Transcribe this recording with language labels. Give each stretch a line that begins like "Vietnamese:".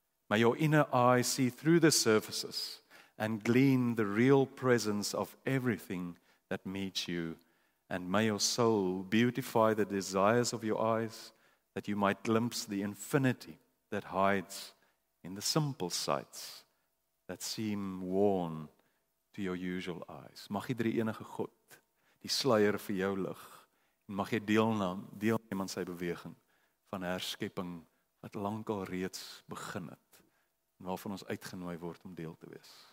English: May your inner eye see through the surfaces and glean the real presence of everything that meets you. And may your soul beautify the desires of your eyes that you might glimpse the infinity that hides in the simple sights that seem worn to your usual eyes."
Afrikaans: Mag die drie enige God die sluier vir jou lig en mag jy deelneem aan sy beweging van herskepping wat lank al reeds begin het. En waarvan ons uitgenooi word om deel te wees.